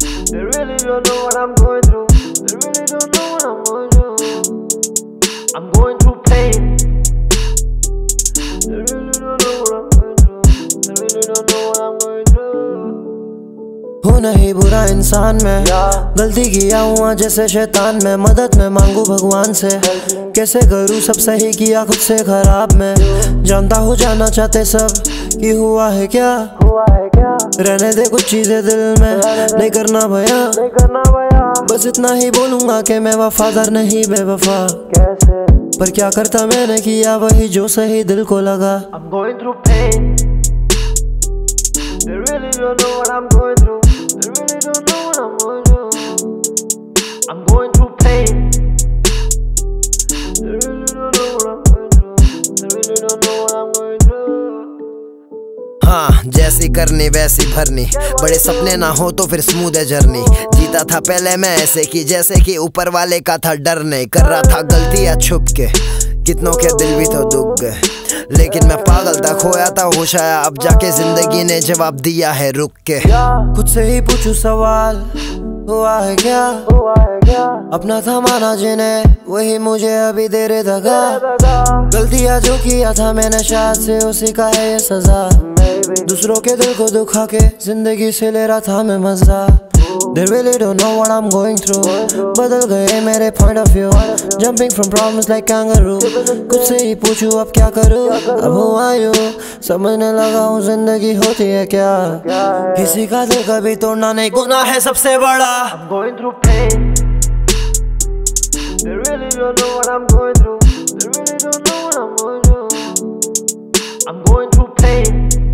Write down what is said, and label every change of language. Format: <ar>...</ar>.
<en>They really don't know what I'm going through. They really don't know what I'm going through. I'm going through pain. They really don't know what I'm going through. They really don't know what I'm going through.</en> <hi>हूँ नहीं बुरा इंसान मैं yeah. गलती किया हुआ जैसे शैतान मैं मदद में मांगू भगवान से कैसे करूँ सब सही किया खुद से खराब मैं जानता हूँ जाना चाहते सब कि हुआ है क्या रहने दे कुछ चीजें दिल में नहीं करना भया बस इतना ही बोलूँगा कि मैं वफादार नहीं बेवफा पर क्या करता मैंने किया वही जो सही दिल को लगा</hi> <en>They really don't know what I'm going through. They really don't know what I'm going through. I'm going through pain. They really don't know what I'm going through. They really don't know what I'm going through.</en> <hi>हाँ जैसी करनी वैसी भरनी बड़े सपने ना हो तो फिर स्मूद है जर्नी जीता था पहले मैं ऐसे कि जैसे कि ऊपर वाले का था डर नहीं कर रहा था गलतियाँ छुप के कितनों के दिल भी तो दुख गए लेकिन मैं पागल था खोया था होश आया अब जाके जिंदगी ने जवाब दिया है रुक के खुद से ही पूछूं सवाल हुआ है क्या अपना था माना जिने वही मुझे अभी देर दगा गलतियाँ जो किया था मैंने शायद से उसी का है ये सजा दूसरों के दिल को दुखा के जिंदगी से ले रहा था मैं मजा</hi> <en>They really don't know what I'm going through</en> <hi>बदल गए मेरे</hi> <en>point of view Jumping from problems like kangaroo</en> <hi>कुछ से ही पूछूं अब क्या करूं अब</hi> <en>who are you</en> <hi>समझने लगा हूं जिंदगी होती है क्या किसी का दिल कभी तोड़ना नहीं गुनाह है सबसे बड़ा</hi> <en>I'm going through pain They really don't know what I'm going through They really don't know what I'm going through I'm going through pain</en>